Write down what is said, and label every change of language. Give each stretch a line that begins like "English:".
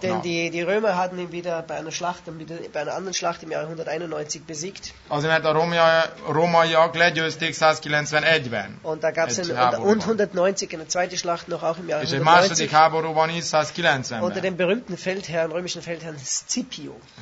German: Denn die Römer hatten ihn wieder bei einer anderen Schlacht im Jahre 191 besiegt.
Hungarian: Azért a rómaiak legyőzték 191-ben.
German: Und da gab es und 190 eine zweite Schlacht noch auch im Jahre 190.
Hungarian: És egy második háborúban is 190-ben.
German: Unter dem berühmten Feldherrn, römischen Feldherrn Scipio.